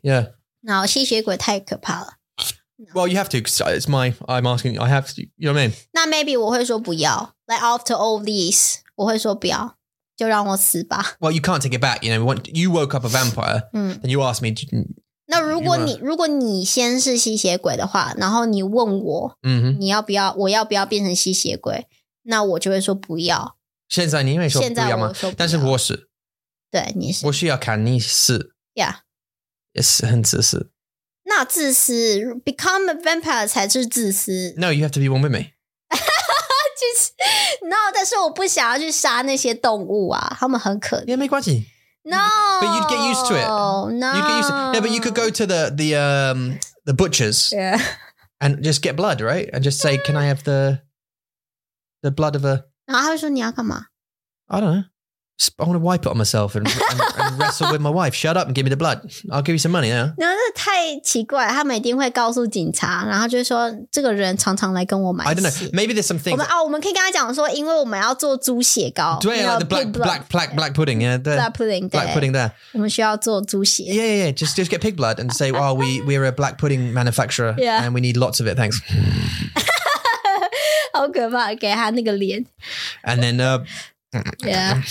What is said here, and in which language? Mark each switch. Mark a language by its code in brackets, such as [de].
[en] Yeah. [zh] No, 吸血鬼太可怕了。 [en] Well, you have to, because it's my, I'm asking, I have to, you know what I mean? [zh] 那 maybe 我会说不要。 [en] Like after all these, [zh] 我会说不要。就让我死吧。 [en] Well, you can't take it back, you know, you woke up a vampire, and you asked me to... [zh] 那如果你先是吸血鬼的话,然后你问我,你要不要,我要不要变成吸血鬼,那我就会说不要。现在你因为说不要吗？但是我是，对你是，我需要看你是 [en] ，Yeah， [zh] 也是很自私。那自私 ， [en] become a vampire [zh] 才是自私。 [en] No， you have to be one with me. [zh] 就是 No， 但是我不想要去杀那些动物啊，他们很可怜。也没关系。 [en] No， but you'd get used to it. No， you'd get used to it. Yeah， but you could go to the butchers. Yeah， and just get blood, right? And just say, can I have the blood of a [zh] 然后他会说你要干嘛 [en] I don't know. I want to wipe it on myself and wrestle with my wife. Shut up and give me the blood. I'll give you some money, yeah. [zh] 那太奇怪他们一定会告诉警察然后就说这个人常常来跟我买血。 [en] I don't know. Maybe there's some things. [zh] 我们可以跟他讲说因为我们要做猪血糕。 [en] 对 you know, like the black pudding, yeah. The, black pudding, black pudding there. [zh] 我们需要做猪血。 [en] Yeah, yeah, yeah. Just get pig blood and say, oh, we're a black pudding manufacturer yeah. and we need lots of it, thanks. [zh] 好可怕给他那个脸。 [en] And then, yeah.